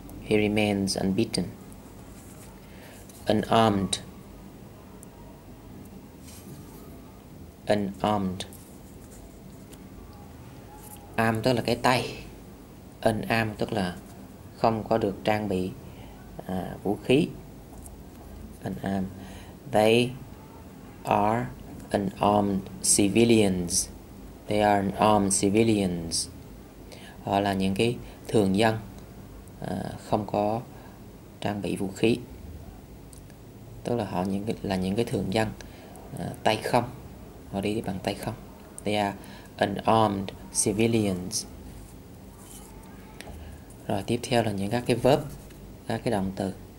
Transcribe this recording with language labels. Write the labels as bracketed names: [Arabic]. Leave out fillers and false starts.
[English] He remains unbeaten. Unarmed. Unarmed. [Vietnamese] Arm tức là cái tay. Unarmed tức là không có được trang bị vũ khí. [English] Unarmed. They are unarmed civilians. They are unarmed civilians. [Vietnamese] Họ là những cái thường dân không có trang bị vũ khí. Tức là họ là những cái thường dân tay không. Họ đi bằng tay không. They are unarmed civilians. Rồi tiếp theo là những các cái verb, các cái động từ.